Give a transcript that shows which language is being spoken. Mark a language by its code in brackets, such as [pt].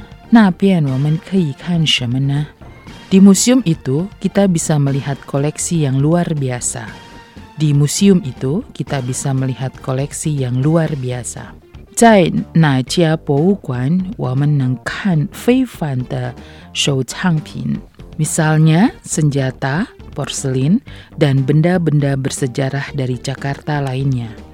[zh] 那边我们可以看什么呢？ [id] Di museum itu, kita bisa melihat koleksi yang luar biasa. [zh] 在哪家博物馆我们能看非凡的收藏品？ [id] Misalnya senjata, porselin, dan benda-benda bersejarah dari Jakarta lainnya.